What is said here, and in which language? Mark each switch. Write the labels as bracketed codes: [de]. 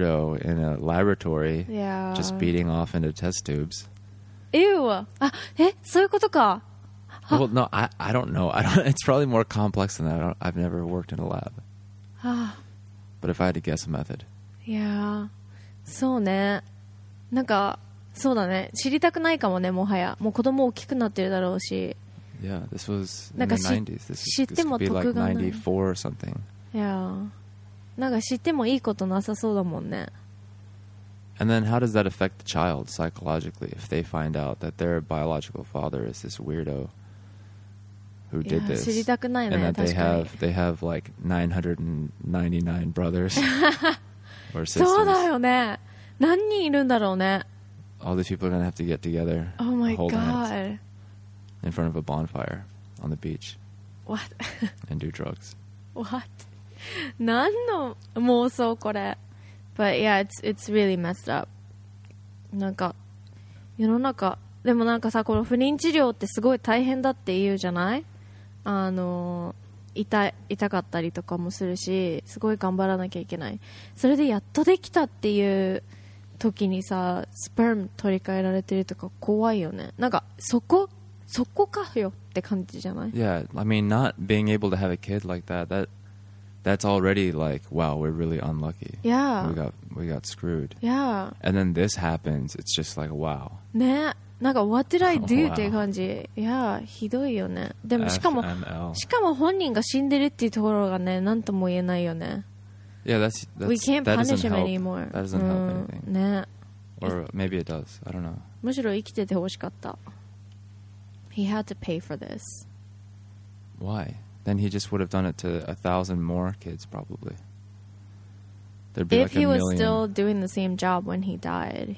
[en] weirdo in a laboratory. Yeah, just beating off into test tubes. [ja] Ew! あ、え、そういうことか。 [en] Well, no, I don't know. I don't, it's probably more complex than that. I've never worked in a lab. But if I had to guess a method. [ja] Yeah, そうね。なんかそうだね、知りたくないかもね、もはやもう子供大きくなってるだろうし。 [en] Yeah, this was in the 90s. This [ja] is, 知っても得がない。 [en] This could be like 94 or something. [ja] Yeah, なんか知ってもいいことなさそうだもんね。 [en] And then how does that affect the child psychologically if they find out that their biological father is this weirdo who did this? [ja] 知りたくないね、 [en] 確かに。 And that they have like 999 brothers. or systems. [ja] そうだよね。何人いるんだろうね。 [en] All these people are going to have to get together. Oh my god. In front of a bonfire on the beach. What? and do drugs. What? 何の妄想これ。 But yeah, it's really messed up. [ja] なんか世の中でもなんかさ、この不妊治療ってすごい大変だって言うじゃない？あの、痛かったりとかもするし、すごい頑張らなきゃいけない。それでやっとできたっていう時にさ、スパム取り替えられてるとか怖いよね。なんかそこかよって感じじゃない？ [en] Yeah, I mean, not being able to have a kid like that, that's already like, wow, we're really unlucky. Yeah. We got screwed. Yeah. And then this happens, it's just like, wow. [ja] ね。なんか [en] What did I do?、 Oh, wow. [ja] っていう感じ。いやー、ひどいよね。でもしかも本人が死んでるっていうところがね、なんとも言えないよね。 [en] Yeah, that's We can't punish him anymore. That doesn't help anything. [ja] ね。 [en] Or maybe it does. I don't know. [ja] むしろ生きててほしかった。 [en] He had to pay for this. Why? Then he just would have done it to 1,000 more kids probably. There'd be If like a he was million. Still doing the same job when he died,